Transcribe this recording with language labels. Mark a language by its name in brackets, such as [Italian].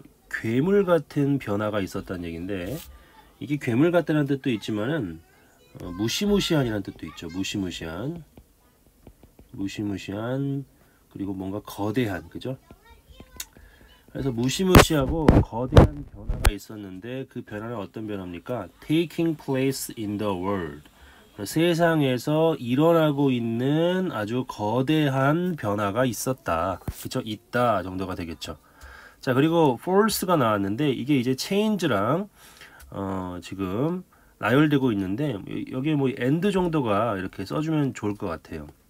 [Korean] 괴물 같은 변화가 있었다는 얘기인데 이게 괴물 같다는 뜻도 있지만은 무시무시한이라는 뜻도 있죠. 무시무시한. 무시무시한. 그리고 뭔가 거대한. 그죠? 그래서 무시무시하고 거대한 변화가 있었는데 그 변화는 어떤 변화입니까? [English] Taking place in the world. [Korean] 세상에서 일어나고 있는 아주 거대한 변화가 있었다. 그쵸? 있다 정도가 되겠죠. 자, 그리고 false가 나왔는데 이게 이제 change랑 지금 나열되고 있는데 여기에 뭐 end 정도가 이렇게 써주면 좋을 것 같아요.